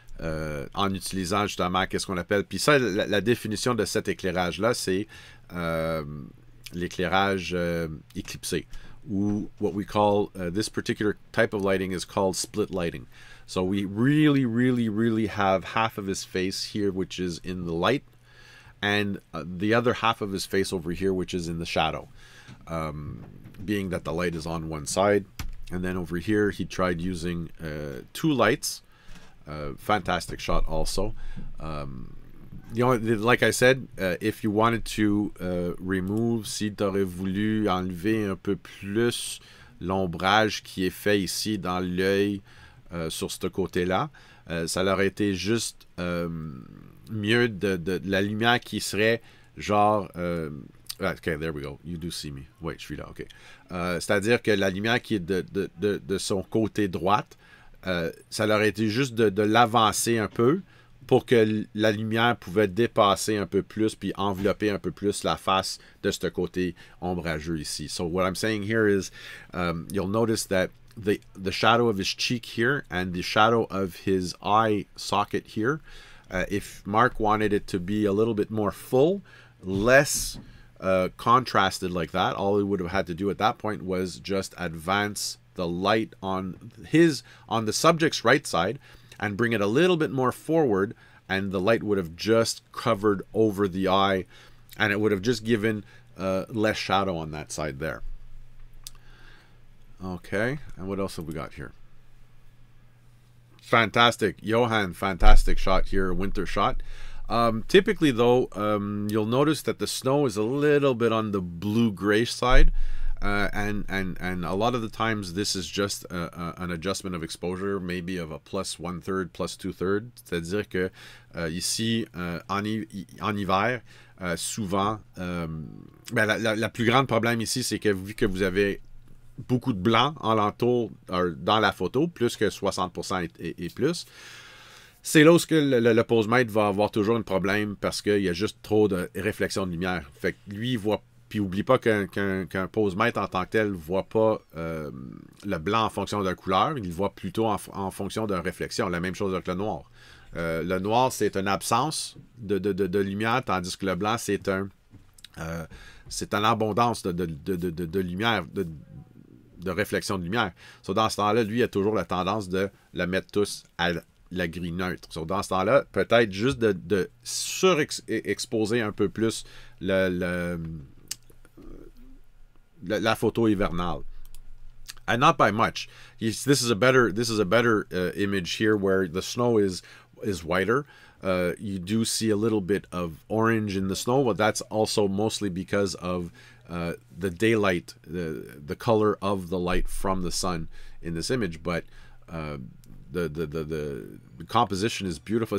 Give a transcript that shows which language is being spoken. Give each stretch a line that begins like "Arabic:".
French: en utilisant justement qu'est-ce qu'on appelle. Puis ça, la définition de cet éclairage-là, c'est l'éclairage éclipsé.
English: Ou what we call this particular type of lighting is called split lighting. So we really, really, really have half of his face here, which is in the light, and the other half of his face over here, which is in the shadow, being that the light is on one side. And then over here, he tried using two lights. Fantastic shot also. You know, like I said, if you wanted to remove,
French: si tu aurais voulu enlever un peu plus l'ombrage qui est fait ici dans l'œil, sur ce côté-là, ça aurait été juste mieux de la lumière qui serait genre...
English: okay, there we go. You do see me. Wait,
French: je suis là,
English: OK.
French: C'est-à-dire que la lumière qui est de son côté droite, ça aurait été juste de l'avancer un peu pour que la lumière pouvait dépasser un peu plus puis envelopper un peu plus la face de ce côté ombrageux ici.
English: So what I'm saying here is, you'll notice that the shadow of his cheek here and the shadow of his eye socket here, if Mark wanted it to be a little bit more full, less contrasted like that, all he would have had to do at that point was just advance the light on the subject's right side and bring it a little bit more forward, and the light would have just covered over the eye and it would have just given less shadow on that side there. Okay, and what else have we got here? Fantastic, Johan, fantastic shot here, winter shot. Typically though, you'll notice that the snow is a little bit on the blue-gray side, and a lot of the times this is just an adjustment of exposure, maybe of a plus one-third, plus two-third.
French: C'est-à-dire que ici, en hiver, souvent, ben la plus grande problème ici, c'est que vu que vous avez beaucoup de blanc en l'entour dans la photo, plus que 60% et plus, c'est là où le pose-mètre va avoir toujours un problème parce qu'il y a juste trop de réflexion de lumière. Fait que lui, il voit, puis n'oublie pas qu'un pose-mètre en tant que tel ne voit pas le blanc en fonction de la couleur, il voit plutôt en fonction de réflexion. La même chose avec le noir. Le noir, c'est une absence de lumière, tandis que le blanc, c'est une abondance de lumière, de réflexion de lumière. So, dans ce temps-là, lui, il a toujours la tendance de le mettre tous à la grille neutre. So, dans ce temps-là, peut-être juste de surexposer un peu plus la photo hivernale.
English: And not by much. This is a better image here where the snow is whiter. You do see a little bit of orange in the snow, but that's also mostly because of the daylight, the color of the light from the sun in this image, but the composition is beautiful.